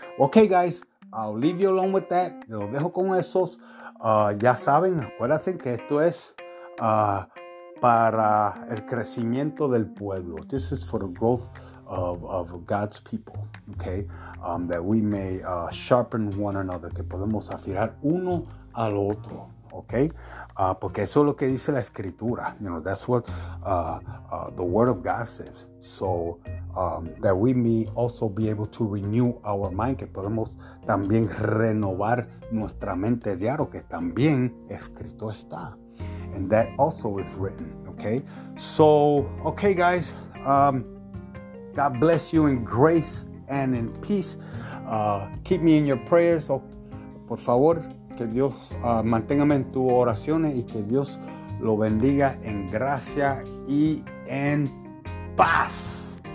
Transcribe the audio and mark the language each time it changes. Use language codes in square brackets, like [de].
[en] Okay, guys, I'll leave you alone with that. [es] Te lo dejo con esos. Ya saben, acuérdense que esto es para el crecimiento del pueblo. [en] This is for the growth of God's people, okay? That we may sharpen one another, [es] que podemos afirar uno al otro, [en] okay? [es] Porque eso es lo que dice la escritura. [en] You know, that's what the word of God says. So, that we may also be able to renew our mind, [es] que podemos también renovar nuestra mente diario, que también escrito está. [en] And that also is written. Okay, so, okay, guys, God bless you in grace and in peace. Keep me in your prayers. [es] Oh, por favor, que Dios manténgame en tus oraciones y que Dios lo bendiga en gracia y en paz.